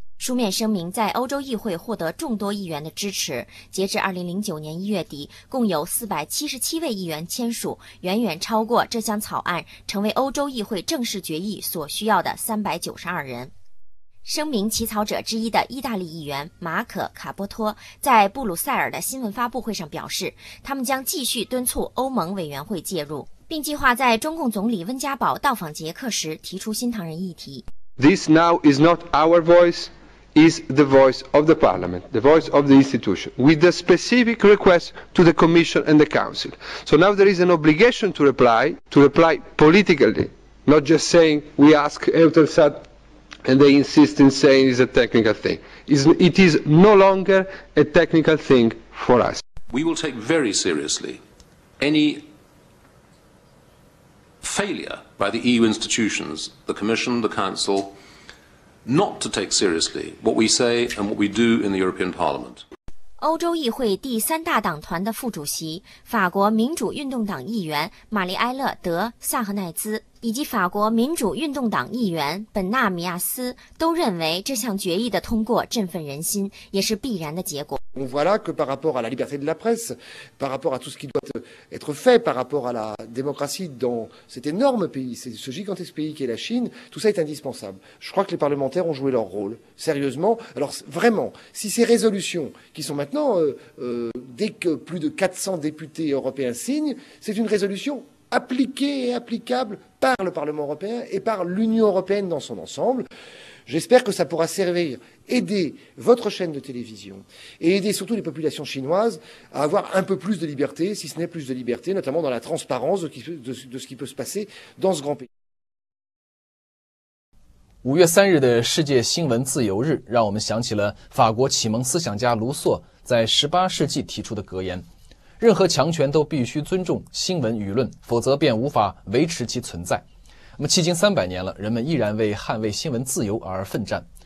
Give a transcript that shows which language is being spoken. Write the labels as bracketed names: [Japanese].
[Chinese] 书面声明在欧洲议会获得众多议员的支持，截至2009年1月底，共有477位议员签署，远远超过这项草案成为欧洲议会正式决议所需要的392人。声明起草者之一的意大利议员马可·卡波托在布鲁塞尔的新闻发布会上表示，他们将继续敦促欧盟委员会介入，并计划在中共总理温家宝到访捷克时提出新唐人议题。 [English] This now is not our voice, is the voice of the Parliament, the voice of the institution, with a specific request to the Commission and the Council. So now there is an obligation to reply politically, not just saying we ask Eutelsat and they insist in saying it's a technical thing. It is no longer a technical thing for us. We will take very seriously any failure. By the EU institutions, the Commission, the Council, not to take seriously what we say and what we do in the European Parliament. [Chinese] 欧洲议会第三大党团的副主席、法国民主运动党议员玛丽埃勒·德·萨赫奈兹以及法国民主运动党议员本纳米亚斯都认为，这项决议的通过振奋人心，也是必然的结果。 [French] On voit là que par rapport à la liberté de la presse, par rapport à tout ce qui doit être fait, par rapport à la démocratie dans cet énorme pays, c'est ce gigantesque pays qui est la Chine, tout ça est indispensable. Je crois que les parlementaires ont joué leur rôle, sérieusement. Alors vraiment, si ces résolutions qui sont maintenant, dès que plus de 400 députés européens signent, c'est une résolution appliquée et applicable par le Parlement européen et par l'Union européenne dans son ensemble. J'espère que ça pourra servir, aider votre chaîne de télévision et aider surtout les populations chinoises à avoir un peu plus de liberté, si ce n'est plus de liberté, notamment dans la transparence de ce qui peut se passer dans ce grand pays. [Chinese] 5月3日的世界新闻自由日，让我们想起了法国启蒙思想家卢梭在18世纪提出的格言：任何强权都必须尊重新闻舆论，否则便无法维持其存在。那么迄今300年了，人们依然为捍卫新闻自由而奋战，